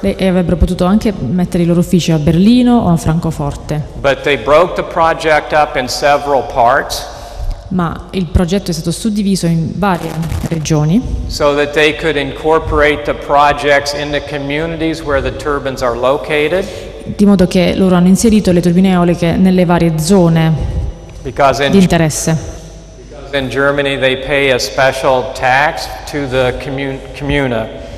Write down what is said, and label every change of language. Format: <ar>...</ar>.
<it>E avrebbero potuto anche mettere i loro uffici a Berlino o a Francoforte.</it> <en>But they broke the project up in several parts.</en> <it>Ma il progetto è stato suddiviso in varie regioni.</it> <en>So that they could incorporate the projects in the communities where the turbines are located.</en> <it>Di modo che loro hanno inserito le turbine eoliche nelle varie zone di interesse.</it> <en>In Germany they pay a special tax to the comune.</en>